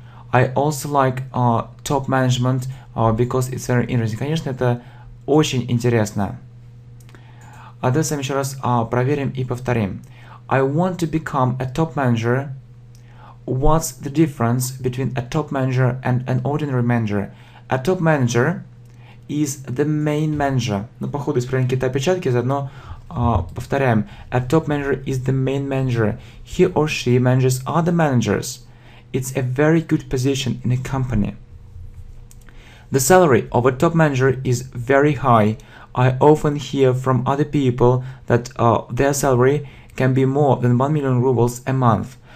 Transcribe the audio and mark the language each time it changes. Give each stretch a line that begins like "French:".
English: I also like top management because it's very interesting.
Russian: Конечно, это очень интересно. А давайте с вами еще раз проверим и повторим.
English: I want to become a top manager. What's the difference between a top manager and an ordinary manager? A top manager is the main manager.
Russian: Ну, походу, исправим какие-то опечатки, заодно повторяем.
English: A top manager is the main manager. He or she manages other managers. It's a very good position in a company. The salary of a top manager is very high. I often hear from other people that their salary can be more than 1 million rubles a month.